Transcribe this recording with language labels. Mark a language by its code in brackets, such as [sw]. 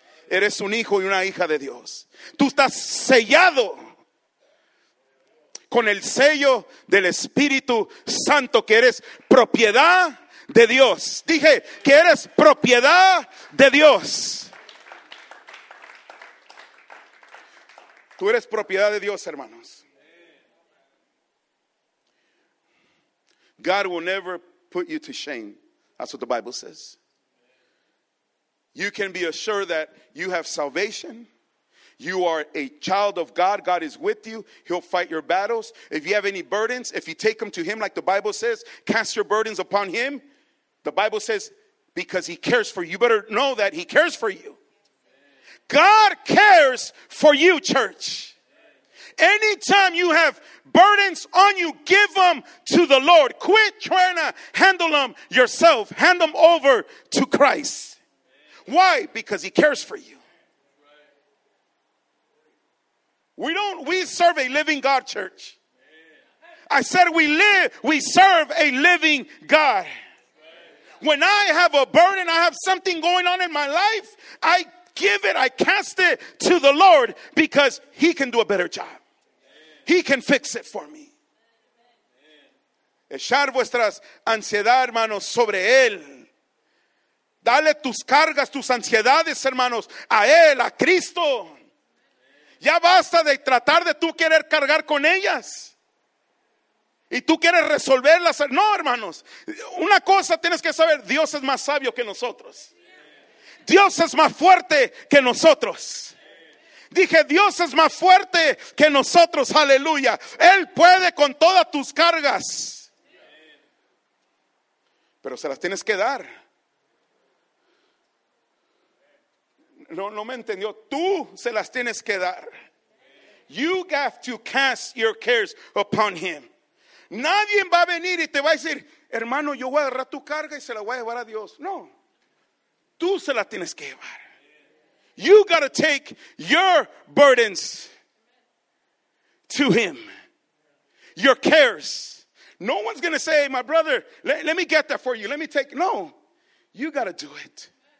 [es] Eres un hijo y una hija de Dios. Tú estás sellado con el sello del Espíritu Santo, que eres propiedad de Dios. Dije que eres propiedad de Dios. Tú eres propiedad de Dios, hermanos. [en] God will never put you to shame. That's what the Bible says. You can be assured that you have salvation. You are a child of God. God is with you. He'll fight your battles. If you have any burdens, if you take them to him, like the Bible says, cast your burdens upon him. The Bible says, because he cares for you. You better know that he cares for you. God cares for you, church. Anytime you have burdens on you, give them to the Lord. Quit trying to handle them yourself. Hand them over to Christ. Why? Because he cares for you. We serve a living God, church. I said we serve a living God. When I have a burden, I have something going on in my life, I give it, I cast it to the Lord, because he can do a better job. He can fix it for me. [es] Echar vuestras ansiedad, hermanos, sobre él. Dale tus cargas, tus ansiedades, hermanos, a él, a Cristo. Ya basta de tratar de tú querer cargar con ellas. Y tú quieres resolverlas. No, hermanos. Una cosa tienes que saber. Dios es más sabio que nosotros. Dios es más fuerte que nosotros. Dije, Dios es más fuerte que nosotros. Aleluya. Él puede con todas tus cargas. Pero se las tienes que dar. No me entendió. Tú se las tienes que dar. [en] You have to cast your cares upon him. [es] Nadie va a venir y te va a decir, hermano, yo voy a agarrar tu carga y se la voy a llevar a Dios. No. Tú se la tienes que llevar. [en] You got to take your burdens to him. Your cares. No one's going to say, my brother, let me get that for you. Let me take. No. You got to do it.